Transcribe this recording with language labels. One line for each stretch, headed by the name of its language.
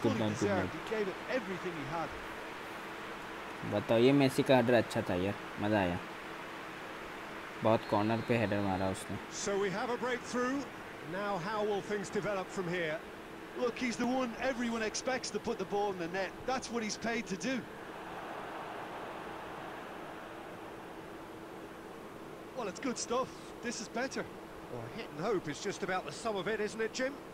English: He gave it everything he had.
Hindi: बताओ ये Messi का header अच्छा था यार, मजा आया. बहुत corner पे header मारा उसने.
English: So we have a breakthrough. Now how will things develop from here? Look, he's the one everyone expects to put the ball in the net. That's what he's paid to do. Well, it's good stuff. This is better. Well, hit and hope is just about the sum of it, isn't it, Jim?